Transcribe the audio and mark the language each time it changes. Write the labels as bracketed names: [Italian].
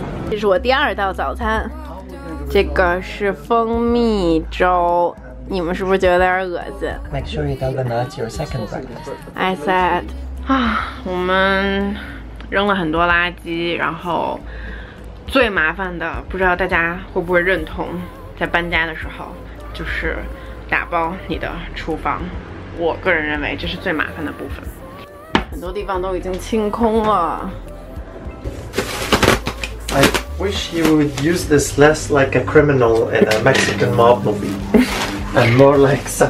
[Chinese] 这是我第二道早餐，这个是蜂蜜粥。你们是不是觉得有点恶心 [English] ？Make sure you tell them that's your second breakfast. [Chinese] I said, 啊，我们扔了很多垃圾，然后最麻烦的，不知道大家会不会认同。在搬家的时候，就是打包你的厨房。我个人认为这是最麻烦的部分，很多地方都已经清空了。 [English] I wish you would use this less like a criminal in a Mexican mob movie and more like some.